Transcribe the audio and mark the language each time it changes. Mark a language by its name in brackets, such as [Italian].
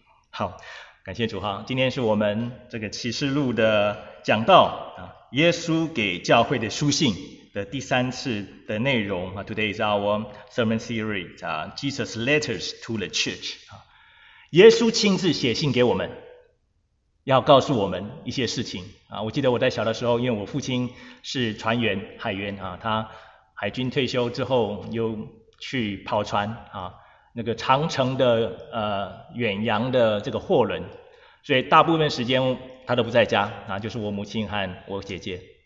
[Chinese] 好，感谢主哈，今天是我们这个启示录的讲道啊，耶稣给教会的书信的第三次的内容啊。 [English] Today is our sermon series, Jesus' letters to the church. [Chinese] 耶稣亲自写信给我们，要告诉我们一些事情啊。我记得我在小的时候，因为我父亲是船员，海员啊，他海军退休之后又去跑船啊。那个长城的远洋的这个货轮，所以大部分时间他都不在家啊，就是我母亲和我姐姐。